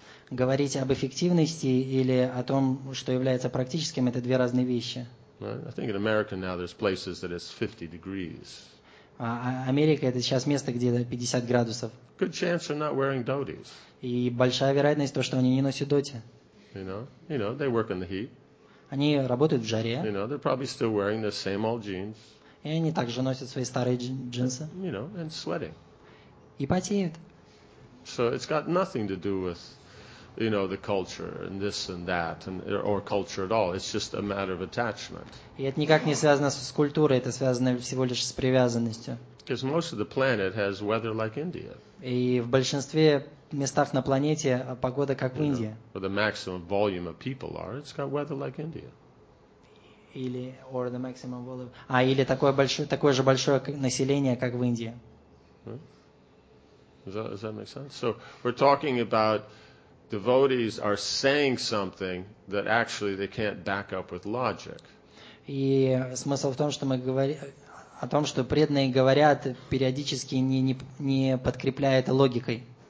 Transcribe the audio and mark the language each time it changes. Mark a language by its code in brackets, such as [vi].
[ru] Говорить об эффективности или о том, что является практическим, это две разные вещи. [en] I think in America now there's places that it's 50 degrees. [ru] Америка это сейчас место, где 50 градусов. [en] Good chance they're not wearing dhotis. [ru] И большая вероятность то, что они не носят доти. [en] You know, they work in the heat. [ru] Они работают в жаре. [en] You know, they're probably still wearing the same old jeans. [ru] И они также носят свои старые джинсы. [en] And sweating. [ru] И потеют. [en] So it's got nothing to do with you know, the culture and this and that, and or culture at all. It's just a matter of attachment. [ru] И это никак не связано с культурой, это связано всего лишь с привязанностью. [en] Because most of the planet has weather like India. [ru] И в большинстве местах на планете погода как в Индии. [en] Where the maximum volume of people are, it's got weather like India. [ru] Или [en] or the maximum volume. [ru] А или такое же большое население как в Индии. [en] Does that make sense? So we're talking about devotees are saying something that actually they can't back up with logic. [ru] И смысл в том, что мы говорим о том, что преданные говорят периодически не подкрепляя это логикой.